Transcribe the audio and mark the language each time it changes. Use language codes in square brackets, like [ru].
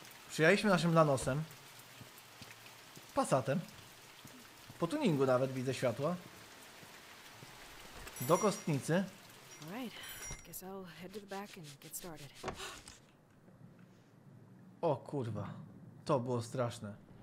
[pl] Przyjechaliśmy naszym Lanosem. Passatem. Po tuningu nawet widzę światła. Do kostnicy. [en] Alright. Guess I'll head to the back and get started. [pl] O kurwa, to było straszne.